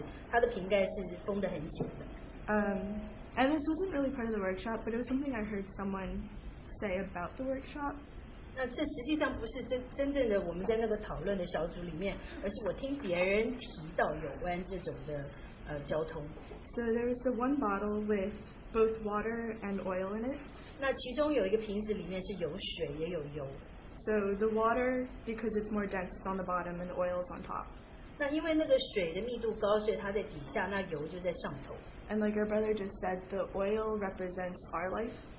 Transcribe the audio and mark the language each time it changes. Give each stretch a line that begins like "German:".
Chinese: 那这个弟兄他就给我们看到，在一个盒子里面有三个瓶子，它的瓶盖是封得很紧的。
English: And this wasn't really part of the workshop, but it was something I heard someone say about the workshop.
Chinese: 那这实际上不是真正的我们在那个讨论的小组里面，而是我听别人提到有关这种的交通。
English: So there was the one bottle with both water and oil in it.
Chinese: 那其中有一个瓶子里面是有水也有油。
English: So the water, because it's more dense, is on the bottom and the oil is on top.
Chinese: 那因为那个水的密度高，所以它在底下，那油就在上头。
English: And like our brother just said, the oil represents our life.